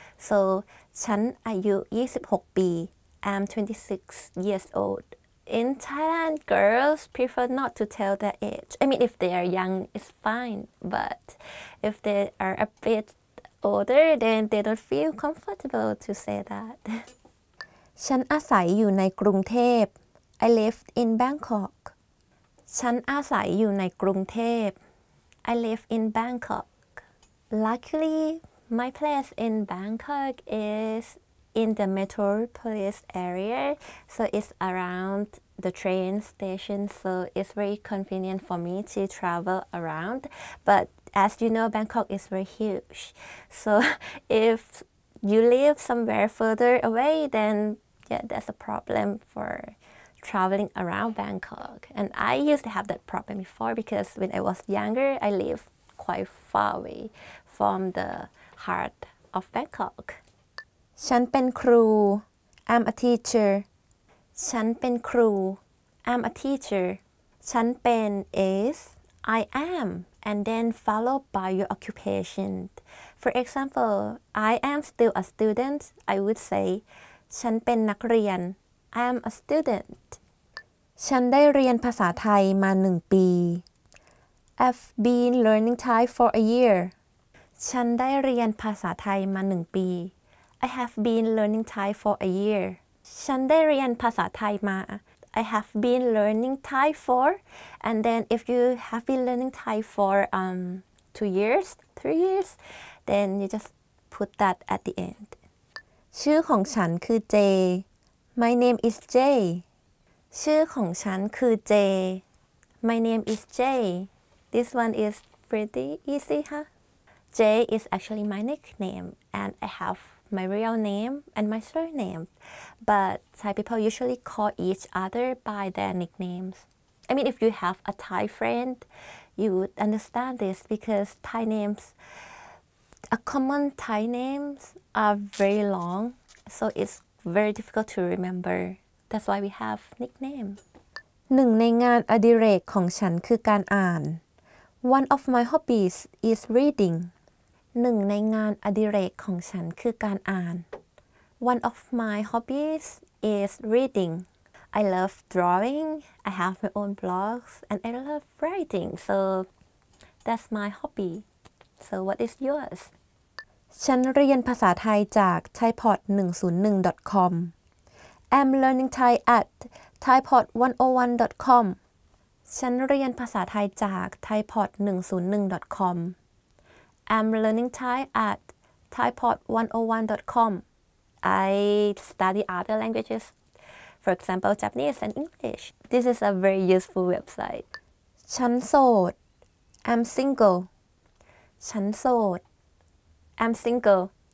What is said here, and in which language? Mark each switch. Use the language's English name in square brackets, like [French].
[English] So, [Thai] ฉันอายุ26ปี [English] I'm 26 years old. In Thailand, girls prefer not to tell their age. I mean, if they are young, it's fine. But if they are a bit older, then they don't feel comfortable to say that. [Thai] ฉันอาศัยอยู่ในกรุงเทพ [English] I live in Bangkok. [Thai] ฉันอาศัยอยู่ในกรุงเทพ [English] I live in Bangkok. Luckily, my place in Bangkok is in the metropolis area, so it's around the train station, so it's very convenient for me to travel around. But as you know, Bangkok is very huge. So if you live somewhere further away, then yeah, that's a problem for traveling around Bangkok. And I used to have that problem before because when I was younger, I lived quite far away from the heart of Bangkok. [Thai] ฉันเป็นครู [English] I'm a teacher [Thai] ฉันเป็นครู [English] I'm a teacher ฉันเป็น is I am and then followed by your occupation for example I am still a student I would say [Thai] ฉันเป็นนักเรียน [English] I'm a student [Thai] ฉันได้เรียนภาษาไทยมา1ปี [English] I've been learning Thai for a year [Thai] ฉันได้เรียนภาษาไทยมา1ปี [English] I have been learning Thai for a year. [Thai] ฉันได้เรียนภาษาไทยมา [English] I have been learning Thai for. And then if you have been learning Thai for 2 years, 3 years, then you just put that at the end. [Thai] ชื่อของฉันคือ Jay. [English] My name is Jay. [Thai] ชื่อของฉันคือ Jay. [English] My name is Jay. This one is pretty easy, huh? Jay is actually my nickname, and I have my real name and my surname. But Thai people usually call each other by their nicknames. I mean, if you have a Thai friend, you would understand this because Thai names, a common Thai names are very long, so it's very difficult to remember. That's why we have nickname. [Thai] หนึ่งในงานอดิเรกของฉันคือการอ่าน [English] One of my hobbies is reading. [Thai] หนึ่งในงานอดิเรกของฉันคือการอ่าน [English] One of my hobbies is reading. I love drawing. I have my own blogs and I love writing. So that's my hobby. So what is yours? [Thai] ฉันเรียนภาษาไทยจาก thaipod101.com. [English] I'm learning Thai at thaipod101.com. [Thai] ฉันเรียนภาษาไทยจาก thaipod101.com. [English] I'm learning Thai at thaipod101.com. I study other languages, for example, Japanese and English. This is a very useful website. [Thai] ฉันโสด [English] I'm single. [Thai] ฉันโสด [English] I'm single.